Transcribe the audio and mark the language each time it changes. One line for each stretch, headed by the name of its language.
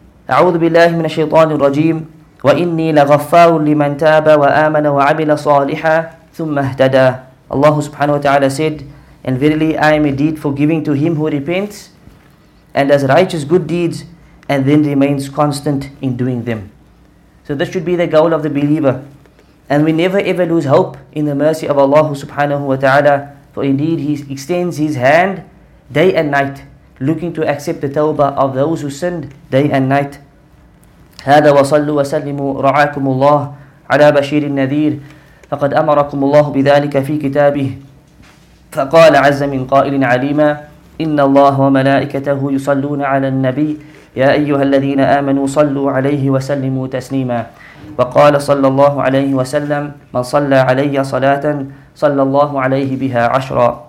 Arabic: أعوذ بالله من الشيطان الرجيم وإني لغفار لمن تاب وآمن وعمل صالحا ثم اهتدى.
English: Allah subhanahu wa ta'ala said, and verily I am indeed forgiving to him who repents and does righteous good deeds and then remains constant in doing them. So this should be the goal of the believer, and we never ever lose hope in the mercy of Allah subhanahu wa ta'ala, for indeed he extends his hand day and night looking to accept the tawbah of those who sinned day and night.
Arabic: هذا وصلوا وسلموا رعاكم الله على بشير النذير فقد أمركم الله بذلك في كتابه فقال عز من قائل عليما إن الله وملائكته يصلون على النبي يا أيها الذين آمنوا صلوا عليه وسلموا تسليما وقال صلى الله عليه وسلم من صلى علي صلاة صلى الله عليه بها عشرا.